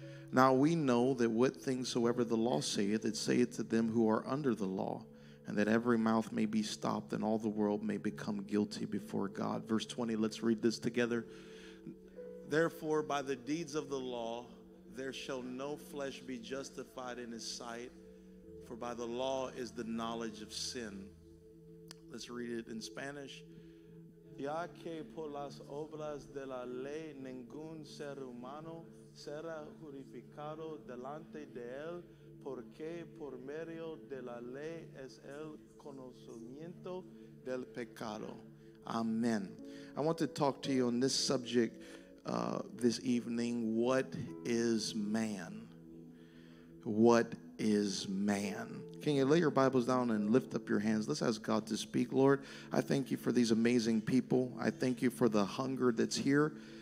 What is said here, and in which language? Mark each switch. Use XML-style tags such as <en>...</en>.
<en>Now we know that what things soever the law saith, it saith to them who are under the law, and that every mouth may be stopped, and all the world may become guilty before God. Verse 20, let's read this together. Therefore, by the deeds of the law, there shall no flesh be justified in his sight, for by the law is the knowledge of sin. Let's read it in Spanish.</en> <es>Ya que por las obras de la ley ningún ser humano será purificado delante de él, porque por medio de la ley es el conocimiento del pecado.</es> <en>Amen. I want to talk to you on this subject this evening. What is man? What is man? Can you lay your Bibles down and lift up your hands? Let's ask God to speak. Lord, I thank you for these amazing people. I thank you for the hunger that's here.</en>